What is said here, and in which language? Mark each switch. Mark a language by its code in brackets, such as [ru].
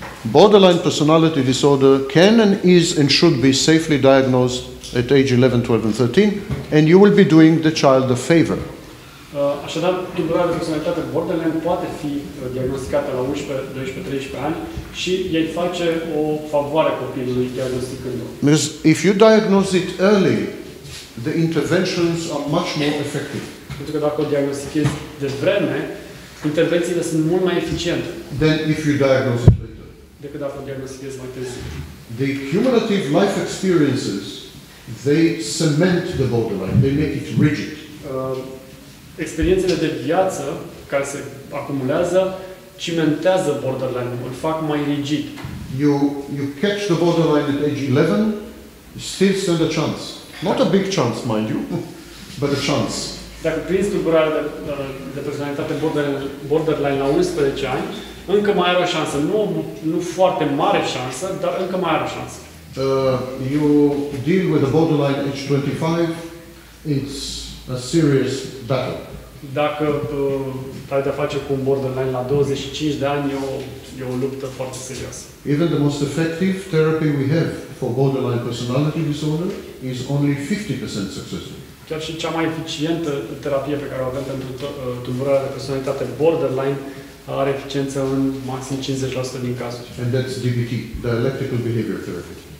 [en] Borderline personality disorder can and is and should be safely diagnosed at age 11, 12, and 13, and you will be doing the child a favor. [ro] Așadar, tulburarea de personalitate borderline poate fi diagnosticată la 11, 12, 13 ani și ei face o favoare copilului diagnosticându-o. [en] Because if you diagnose it early, the interventions are much more effective. [ro] Pentru că dacă o diagnostichezi de vreme, intervențiile sunt mult mai eficiente. [en] Then if you diagnose it later. [ro] Decât dacă o diagnostichezi mai târziu. [en] The cumulative life experiences, they cement the borderline, they make it rigid. [ro] Experiențele de viață care se acumulează cimentează borderline-ul, îl fac mai rigid. [en] You catch the borderline at age 11, you still stand a chance. Not a big chance, mind you, but a chance. [ro] Dacă prinzi tulburarea de personalitate borderline la 11 ani, încă mai are o șansă. Nu foarte mare șansă, dar încă mai are o șansă. [en] You deal with the borderline age 25, it's a serious battle. [ro] Dacă ai de-a face cu un borderline la 25 de ani, e o luptă foarte serioasă. [en] Even the most effective therapy we have for borderline personality disorder is only 50% successful. [ro] Chiar și cea mai eficientă terapie pe care o avem pentru tulburarea de personalitate borderline are eficiență în maxim 50% din cazuri. [en] And that's DBT, dialectical behavior therapy.